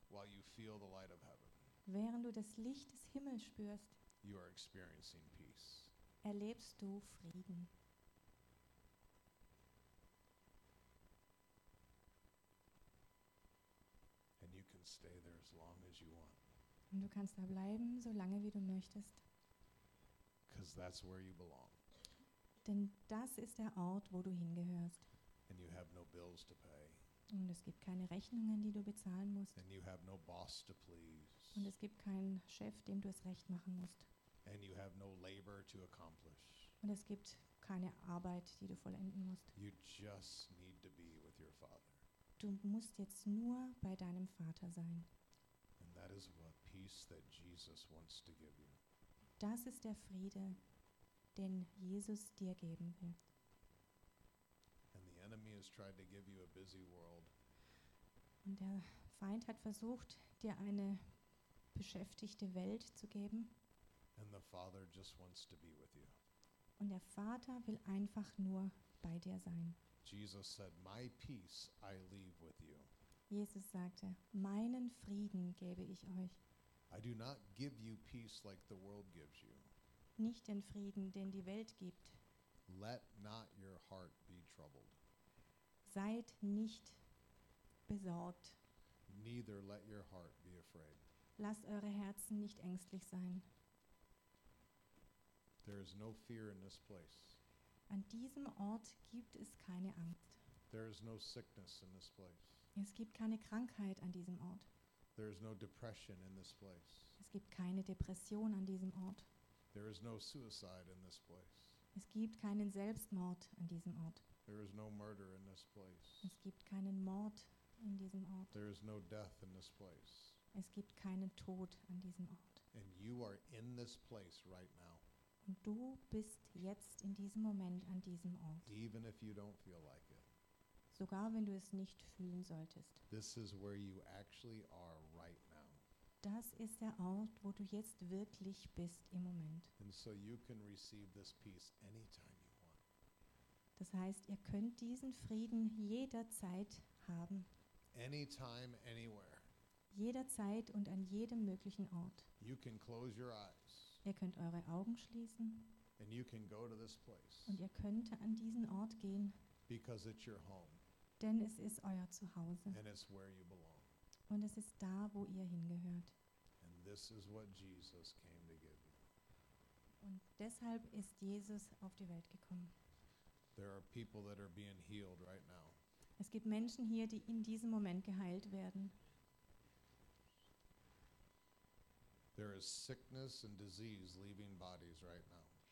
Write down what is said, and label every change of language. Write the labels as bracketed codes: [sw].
[en] While you feel the light of heaven. [de] Während du das Licht des Himmels spürst, [en] you are experiencing peace. [de] Erlebst du Frieden. [en] And you can stay there as long as you want. [de] Und du kannst da bleiben, so lange wie du möchtest. [en] 'Cause that's where you belong. [de] Denn das ist der Ort, wo du hingehörst. [en] And you have no bills to pay. [de] Und es gibt keine Rechnungen, die du bezahlen musst. [en] And you have no boss to please. [de] Und es gibt keinen Chef, dem du es recht machen musst. [en] And you have no labor to accomplish. [de] Und es gibt keine Arbeit, die du vollenden musst. [en] You just need to be with your father. [de] Du musst jetzt nur bei deinem Vater sein. [en] And that is what peace that Jesus wants to give you. [de] Das ist der Friede, den Jesus dir geben will. [en] And the enemy has tried to give you a busy world. [de] Und der Feind hat versucht, dir eine beschäftigte Welt zu geben. [en] And the Father just wants to be with you. [de] Und der Vater will einfach nur bei dir sein. [en] Jesus said, "My peace I leave with you." [de] Jesus sagte, meinen Frieden gebe ich euch. [en] I do not give you peace like the world gives you. [de] Nicht den Frieden, den die Welt gibt. [en] Let not your heart be troubled. [de] Seid nicht besorgt. [en] Neither let your heart be afraid. [de] Lasst eure Herzen nicht ängstlich sein. [en] There is no fear in this place. [de] An diesem Ort gibt es keine Angst. [en] There is no sickness in this place. [de] Es gibt keine Krankheit an diesem Ort. [en] There is no depression in this place. [de] Es gibt keine Depression an diesem Ort. [en] There is no suicide in this place. [de] Es gibt keinen Selbstmord an diesem Ort. [en] There is no murder in this place. [de] Es gibt keinen Mord in diesem Ort. [en] There is no death in this place. [de] Es gibt keinen Tod an diesem Ort. [en] And you are in this place right now. [de] Und du bist jetzt in diesem Moment an diesem Ort. [en] Even if you don't feel like it. [de] Sogar wenn du es nicht fühlen solltest. [en] This is where you actually are right now. [de] Das ist der Ort, wo du jetzt wirklich bist im Moment. [en] And so you can receive this peace anytime you want. [de] Das heißt, ihr könnt diesen Frieden jederzeit haben. [en] Anytime, anywhere. [de] Jederzeit und an jedem möglichen Ort. [en] You can close your eyes. [de] Ihr könnt eure Augen schließen. [en] And you can go to this place. [de] Und ihr könnt an diesen Ort gehen. [en] Because it's your home. [de] Denn es ist euer Zuhause. [en] And it's where you belong. [de] Und es ist da, wo ihr hingehört. [en] And this is what Jesus came to give you. [de] Und deshalb ist Jesus auf die Welt gekommen. [en] There are people that are being healed right now. [de] Es gibt Menschen hier, die in diesem Moment geheilt werden. [en] There is sickness and disease leaving bodies right now.